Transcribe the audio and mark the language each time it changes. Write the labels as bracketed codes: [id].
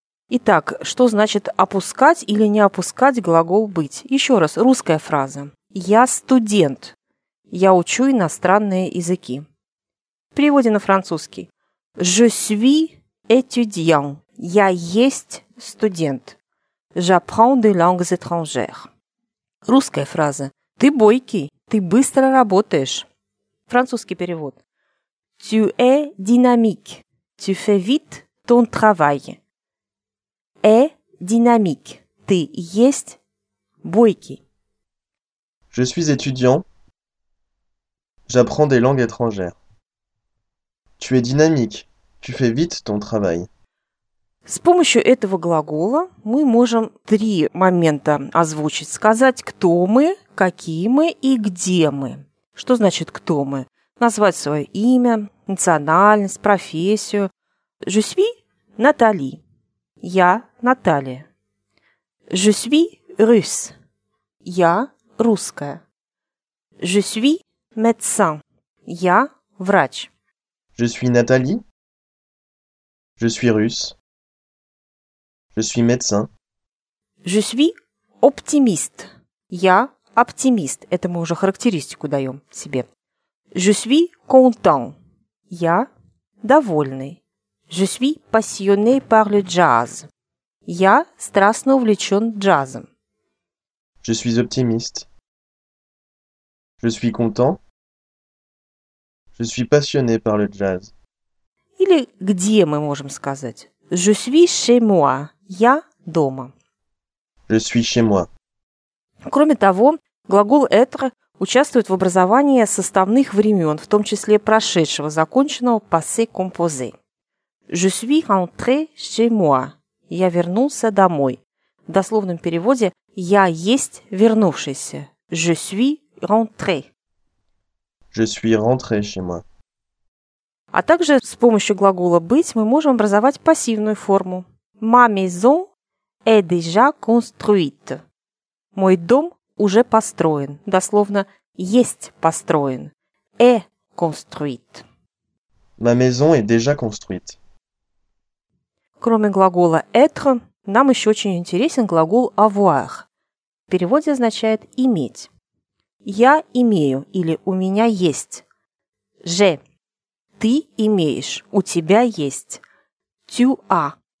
[ru] Итак, что значит опускать или не опускать глагол «быть»? Еще раз, русская фраза. «Я студент. Я учу иностранные языки». В переводе на французский. [fr] «Je suis étudiant. [ru] Я есть студент. [fr] J'apprends des langues étrangères». [ru] Русская фраза. «Ты бойкий. Ты быстро работаешь». Французский перевод. [fr] «Tu es dynamique. Tu fais vite ton travail». [ru] Э динамик. Ты есть бойкий. [fr] Je suis étudiant. J'apprends des langues étrangères. Tu es dynamique. Tu fais vite ton travail. [ru] С помощью этого глагола мы можем три момента озвучить. Сказать, кто мы, какие мы и где мы. Что значит кто мы? Назвать свое имя, национальность, профессию. [fr] Je suis Натали. [ru] Я Наталья. [fr] Je suis russe. [ru] Я русская. [fr] Je suis médecin. [ru] Я врач. [fr] Je suis Nathalie. Je suis russe. Je suis médecin. Je suis optimiste. [ru] Я оптимист. Это мы уже характеристику даем себе. [fr] Je suis content. Я довольный. Je suis passionné par le jazz. [ru] Я страстно увлечен джазом. [fr] Je suis optimiste. Je suis content. Je suis passionné par le jazz. [ru] Или где мы можем сказать? [fr] Je suis chez moi. [ru] Я дома. [fr] Je suis chez moi. [ru] Кроме того, глагол être участвует в образовании составных времен, в том числе прошедшего, законченного passé composé. [fr] Je suis rentré chez moi. [ru] Я вернулся домой. В дословном переводе «я есть вернувшийся». [fr] Je suis rentré. Je suis rentré chez moi. [ru] А также с помощью глагола «быть» мы можем образовать пассивную форму. [fr] Ma maison est déjà construite. [ru] Мой дом уже построен. Дословно «есть построен». [fr] Est construite. Ma maison est déjà construite. [ru] Кроме глагола «être», нам еще очень интересен глагол «avoir». В переводе означает «иметь». «Я имею» или «у меня есть». [fr] «Je». [ru] Ты имеешь, у тебя есть. [fr] Tu as.